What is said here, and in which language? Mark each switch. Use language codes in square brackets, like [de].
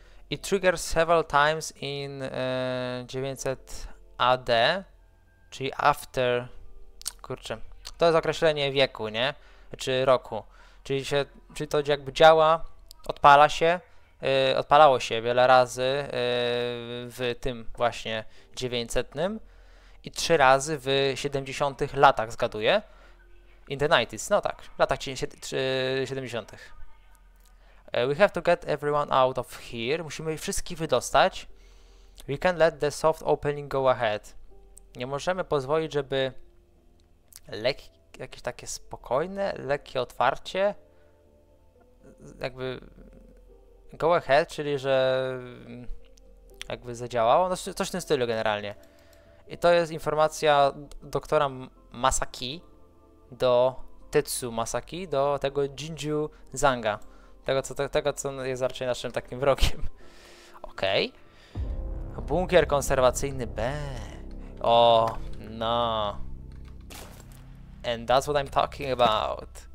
[en] I trigger several times in 900 AD, [pl] czyli [en] after, [pl] kurczę, to jest określenie wieku, nie? Czy roku. Czyli to jakby działa, odpala się, odpalało się wiele razy w tym właśnie 900 i 3 razy w 70 latach, zgaduję. [en] In the 90s, [pl] no tak, w latach 70. [en] We have to get everyone out of here. [pl] Musimy wszystkich wydostać. [en] We can't let the soft opening go ahead. [pl] Nie możemy pozwolić, żeby jakieś takie spokojne, lekkie otwarcie jakby [en] Go ahead, [pl] czyli że jakby zadziałało, no coś w tym stylu generalnie. I to jest informacja doktora Masaki do Tetsu Masaki, do tego Jinju Zanga. Tego co jest raczej naszym takim wrogiem. Okej. Okay. Bunkier konserwacyjny B. O, no. [en] And that's what I'm talking about.